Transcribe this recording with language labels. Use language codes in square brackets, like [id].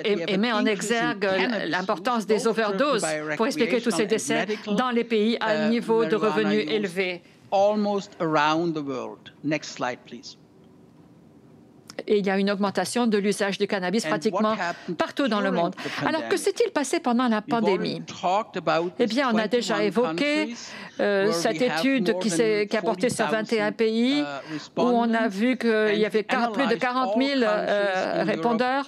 [fr] Et met en exergue l'importance des overdoses pour expliquer tous ces décès dans les pays à niveau de revenus élevés. [en] Almost around the world. Next slide, please. [fr] Et il y a une augmentation de l'usage du cannabis pratiquement partout dans le monde. Alors, que s'est-il passé pendant la pandémie? Eh bien, on a déjà évoqué cette étude qui a porté sur 21 pays, où on a vu qu'il y avait plus de 40 000 répondeurs.